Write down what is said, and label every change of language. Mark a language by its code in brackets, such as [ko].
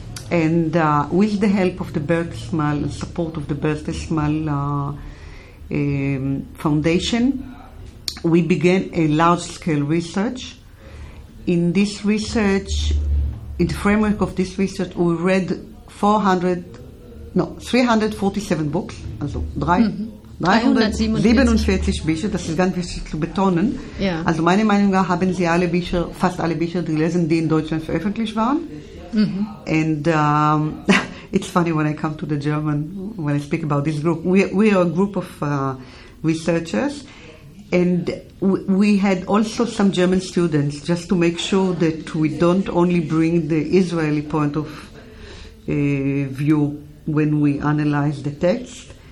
[en] And with the help of the Bertelsmann and support of the Bertelsmann Foundation, we began a large-scale research. In this research, in the framework of this research, we read 347 books. [de] Also, 347 Bücher, das ist ganz wichtig zu betonen. [en] Yeah. [de] Also meine Meinung nach haben sie alle Bücher, fast alle Bücher gelesen, die in Deutschland veröffentlicht waren. Mm-hmm. [en] And it's funny when I come to the German, when I speak about this group. We are a group of researchers. And we had also some German students, just to make sure that we don't only bring the Israeli point of view when we analyze the text.